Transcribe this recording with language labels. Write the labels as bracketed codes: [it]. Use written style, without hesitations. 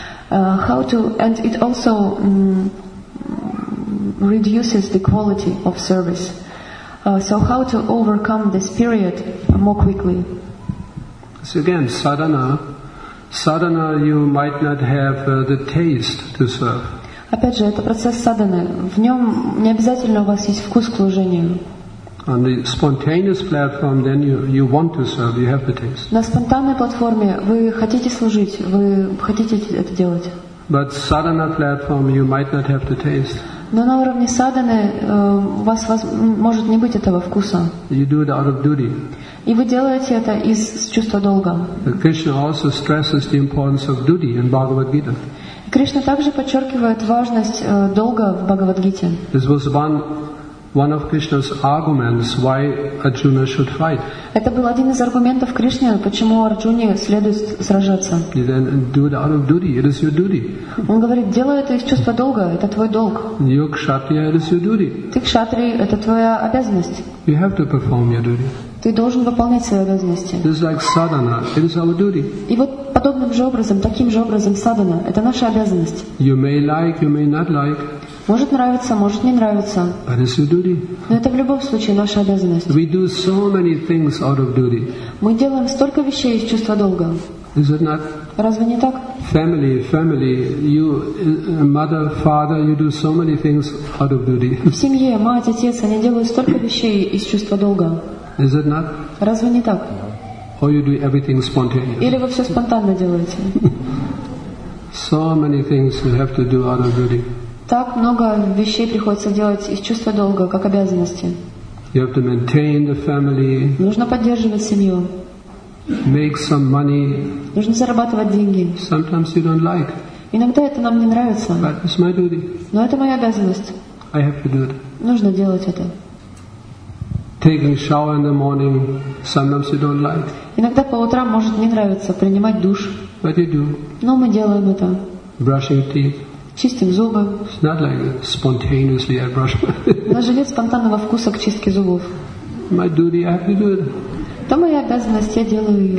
[en] It also reduces the quality of service. So how to overcome this period more quickly? So again, sadhana. Sadhana, you might not have the taste to serve. [ru] Опять же, это процесс садханы. В нем не обязательно у вас есть вкус к служению. [en] On the spontaneous platform, then you want to serve, you have the taste. [ru] На спонтанной платформе вы хотите служить, вы хотите это делать. [en] But sadhana platform, you might not have the taste. [ru] Но на уровне садханы у вас может не быть этого вкуса. [en] You do it out of duty. [ru] И вы делаете это из чувства долга. [en] Krishna also stresses the importance of duty in Bhagavad Gita. [ru] Кришна также подчеркивает важность долга в Бхагавад-гите. [en] This was one one of Krishna's arguments why Arjuna should fight. [ru] Это был один из аргументов Кришны, почему Арджуне следует сражаться. [en] He then do it out of duty. It is your duty. [ru] Он говорит, делай это из чувства долга. Это твой долг. [en] You kshatriya, it is your duty. [ru] Ты кшатрий, это твоя обязанность. [en] You have to perform your duty. [ru] Ты должен выполнять свои обязанности. [en] This is like sadhana. It is our duty. [ru] И вот подобным же образом, таким же образом садхана, это наша обязанность. [en] You may like, you may not like. [ru] Может нравиться, может не нравиться. [en] But it's your duty. [ru] Но это в любом случае наша обязанность. [en] We do so many things out of duty. [ru] Мы делаем столько вещей из чувства долга. [en] Is it not? [ru] Разве не так? [en] Family, family, you, mother, father, you do so many things out of duty. [ru] В семье, мать, отец, они делают столько вещей из чувства долга. [en] Is it not? [ru] Разве не так? [en] Or you do everything spontaneously. [ru] Или вы все спонтанно делаете? [en] So many things you have to do out of duty. [ru] Так много вещей приходится делать из чувства долга, как обязанности. [en] You have to maintain the family. [ru] Нужно поддерживать семью. [en] Make some money. [ru] Нужно зарабатывать деньги. [en] Sometimes you don't like. [ru] Иногда это нам не нравится. [en] But it's my duty. [ru] Но это моя обязанность. [en] I have to do it. [ru] Нужно делать это. [en] Taking shower in the morning, sometimes you don't like. [ru] Иногда по утрам может не нравиться принимать душ. [en] But you do. [ru] Но мы делаем это. [en] Brushing teeth. [ru] Чистим зубы. [en] It's not like spontaneously I brush. [ru] У нас же нет спонтанного вкуса к чистке зубов. [en] My duty, I have to do it. [ru] Это моя обязанность, я делаю ее.